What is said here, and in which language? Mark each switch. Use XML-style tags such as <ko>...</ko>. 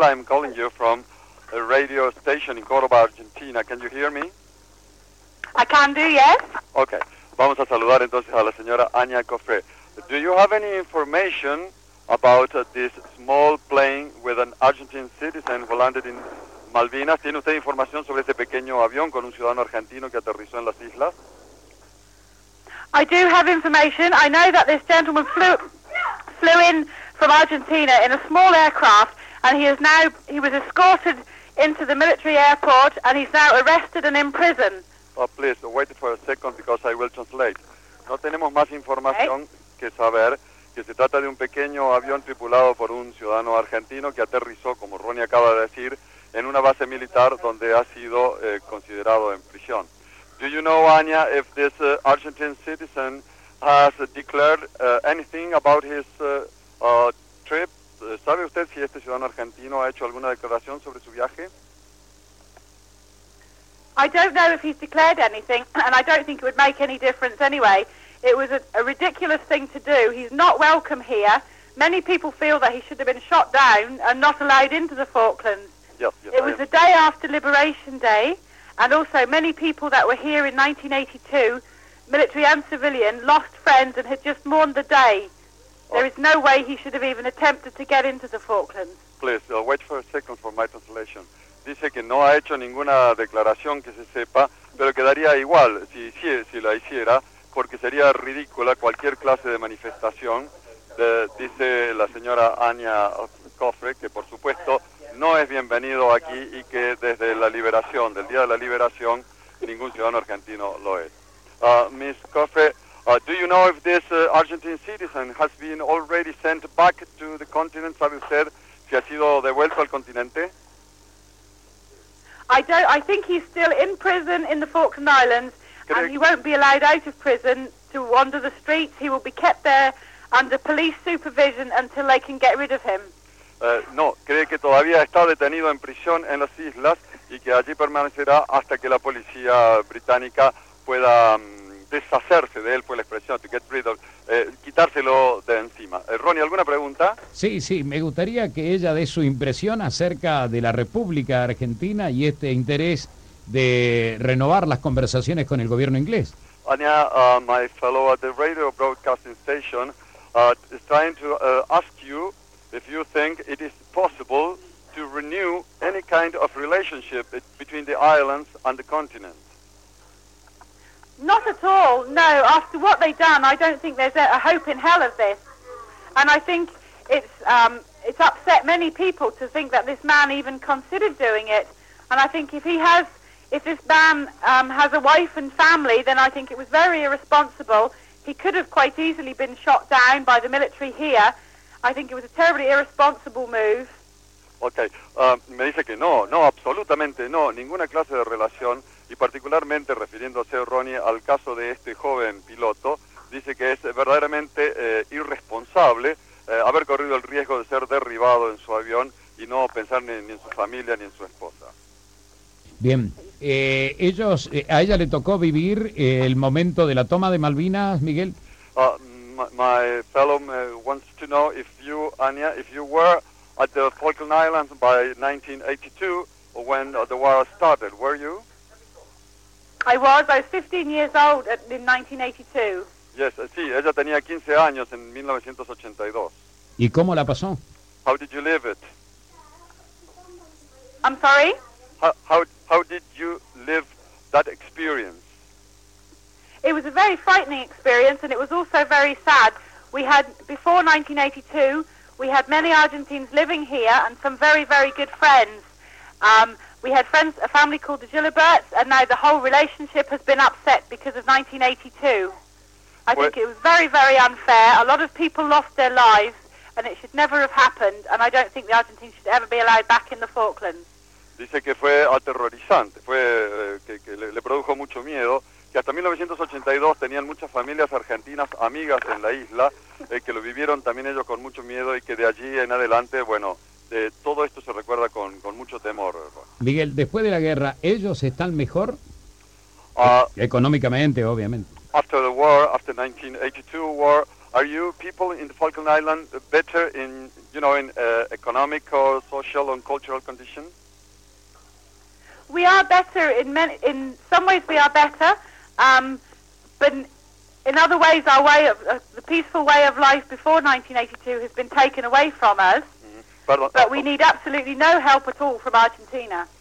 <en>I'm calling you from a radio station in Córdoba, Argentina. Can you hear me? I can do, yes.</en> <es>Ok, vamos a saludar entonces a la señora Ania Cofré.</es> <en>Do you have any information about this small plane with an Argentine citizen who landed in Malvinas?</en> <es>¿Tiene usted información sobre este pequeño avión con un ciudadano argentino que aterrizó en las islas?</es> <en>I do have information. I know that this gentleman flew in from Argentina in a small aircraft, and he was escorted into the military airport, and he's now arrested and in prison. Oh, please, wait for a second, because I will translate.</en> <es>No tenemos más información que saber que se trata de un pequeño avión tripulado por un ciudadano argentino que aterrizó, como Ronnie acaba de decir, en una base militar donde ha sido considerado en prisión.</es> <en>Do you know, Anya, if this Argentine citizen has declared anything about his trip?</en> <es>¿Sabe usted si este ciudadano argentino ha hecho alguna declaración sobre su viaje?</es> <en>I don't know if he's declared anything, and I don't think it would make any difference anyway. It was a ridiculous thing to do. He's not welcome here. Many people feel that he should have been shot down and not allowed into the Falklands. Yes, it was the day after Liberation Day, and also many people that were here in 1982, military and civilian, lost friends and had just mourned the day. There is no way he should have even attempted to get into the Falklands. Please, wait for a second for my translation.</en> <es>Dice que no ha hecho ninguna declaración que se sepa, pero quedaría igual si la hiciera, porque sería ridícula cualquier clase de manifestación, dice la señora Ania Cofré, que por supuesto no es bienvenido aquí y que desde la liberación, del día de la liberación, ningún ciudadano argentino lo es.</es> <en>Miss Cofré, do you know if this Argentine citizen has been already sent back to the continent?</en> <es>¿Sabe usted si ha sido devuelto al continente?</es> <en>I think he's still in prison in the Falkland Islands. And he won't be allowed out of prison to wander the streets. He will be kept there under police supervision until they can get rid of him.</en> <es>No, cree que todavía está detenido en prisión en las islas y que allí permanecerá hasta que la policía británica pueda deshacerse de él, fue la expresión,</es> <en>to get rid of,</en> <es>quitárselo de encima. Ronnie, ¿alguna pregunta? Sí, me gustaría que ella dé su impresión acerca de la República Argentina y este interés de renovar las conversaciones con el gobierno inglés.</es> <en>Anya, my fellow at the radio broadcasting station is trying to ask you if you think it is possible to renew any kind of relationship between the islands and the continent. Not at all, no. After what they've done, I don't think there's a hope in hell of this. And I think it's upset many people to think that this man even considered doing it. And I think if this man has a wife and family, then I think it was very irresponsible. He could have quite easily been shot down by the military here. I think it was a terribly irresponsible move.</en> <es>Okay. Me dice que no, absolutamente no. Ninguna clase de relación, y particularmente refiriéndose, Ronnie, al caso de este joven piloto, dice que es verdaderamente irresponsable haber corrido el riesgo de ser derribado en su avión y no pensar ni en su familia ni en su esposa. Bien, ellos, a ella le tocó vivir el momento de la toma de Malvinas, Miguel.</es> <en>my fellow wants to know if you, Anya, if you were at the Falkland Islands by 1982, or when the war started, were you? I was 15 years old in 1982.</en> <es>Yes, sí, ella tenía 15 años en 1982. ¿Y cómo la pasó?</es> <en>How did you live it? I'm sorry? How did you live that experience? It was a very frightening experience, and it was also very sad. We had, before 1982, we had many Argentines living here and some very, very good friends. We had friends, a family called the Gilliberts, and now the whole relationship has been upset because of 1982. I think it was very, very unfair. A lot of people lost their lives, and it should never have happened, and I don't think the Argentines should ever be allowed back in the Falklands.</en> <es>Dice que fue aterrorizante, fue que le produjo mucho miedo, que hasta 1982 tenían muchas familias argentinas amigas en la isla, que lo vivieron también ellos con mucho miedo, y que de allí en adelante, bueno, de todo esto se recuerda con mucho temor. Miguel, después de la guerra, ¿ellos están mejor? Económicamente, obviamente.</es> <en>After the war, after 1982 war, are you people in the Falkland Island better in, you know, in economic or social and cultural condition? We are better in some ways we are better, but in other ways our way of, the peaceful way of life before 1982 has been taken away from us, but we need absolutely no help at all from Argentina.</en>